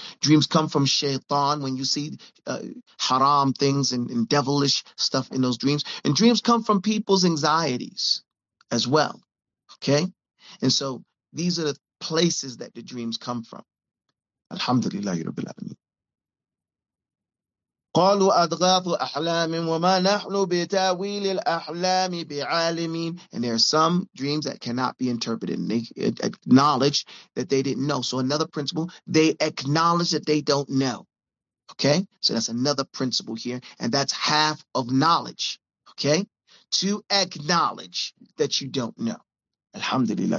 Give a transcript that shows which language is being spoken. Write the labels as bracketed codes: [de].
[en] Dreams come from shaitan, when you see haram things and devilish stuff in those dreams. And dreams come from people's anxieties as well, okay? And so these are the places that the dreams come from. Alhamdulillah, Rabbil Alameen. [ar] قالوا أضغاث أحلام وما نحن بتأويل الأحلام بعالمين. [en] And there are some dreams that cannot be interpreted. And they acknowledge that they didn't know. So another principle, they acknowledge that they don't know. Okay? So that's another principle here. And that's half of knowledge. Okay? To acknowledge that you don't know. Alhamdulillah.